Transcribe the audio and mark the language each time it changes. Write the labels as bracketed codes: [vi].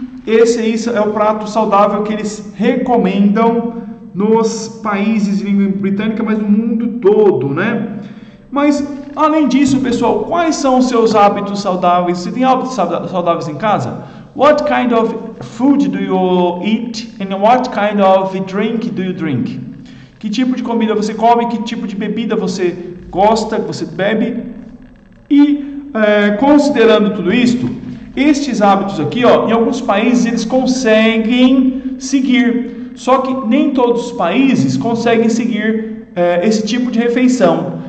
[pt] Esse aí é o prato saudável que eles recomendam nos países de língua britânica, mas no mundo todo, né? Mas, além disso, pessoal, quais são os seus hábitos saudáveis? Você tem hábitos saudáveis em casa? [en] What kind of food do you eat and what kind of drink do you drink? [pt] Que tipo de comida você come? Que tipo de bebida você gosta, você bebe? E, considerando tudo isto, estes hábitos aqui, ó, em alguns países eles conseguem seguir, só que nem todos os países conseguem seguir esse tipo de refeição.